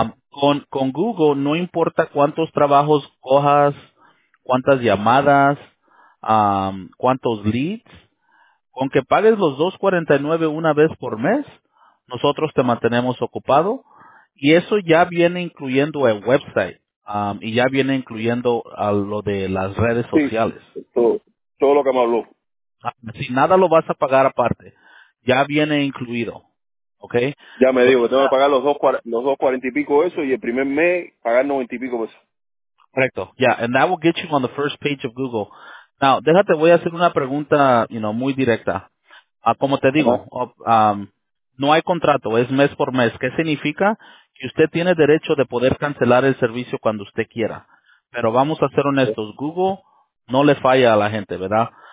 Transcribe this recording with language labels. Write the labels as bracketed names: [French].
[Spanish] Con Google, no importa cuántos trabajos cojas, cuántas llamadas, cuántos leads, con que pagues los $2.49 una vez por mes, nosotros te mantenemos ocupado y eso ya viene incluyendo el website y ya viene incluyendo a lo de las redes sociales. Todo lo que me habló. Si nada lo vas a pagar aparte, ya viene incluido, ¿ok? Ya me digo, tengo que pagar los dos cuarenta y pico eso y el primer mes pagar 90 y pico eso. Correcto, [English] yeah, and that will get you on the first page of Google. [Spanish] Now, déjate, voy a hacer una pregunta, muy directa. Como te digo, no hay contrato, es mes por mes. ¿Qué significa? Que usted tiene derecho de poder cancelar el servicio cuando usted quiera. Pero vamos a ser honestos, Google no le falla a la gente, ¿verdad?